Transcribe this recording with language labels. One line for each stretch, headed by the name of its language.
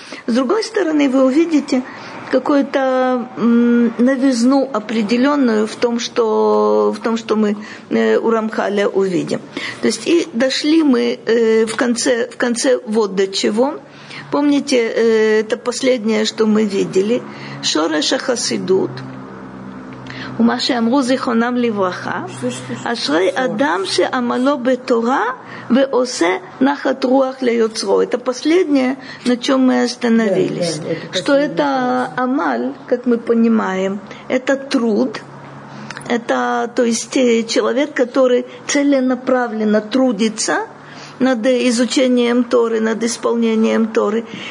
Russian: С другой стороны, вы увидите какую-то новизну определенную в том, что мы у Рамхаля увидим. То есть и дошли мы в конце вот до чего. Помните, это последнее, что мы видели. Шореша хасидут.
Hebrew: ומה שאמרו זיכרונם לברכה, אשרי אדם שעמלו בתורה ועושה נחת רוח ליוצרו.
Russian: Это последнее, на чем мы остановились. Что это амаль, как мы понимаем, это труд, это, то есть, человек, который целенаправленно трудится над изучением Торы, над исполнением Торы.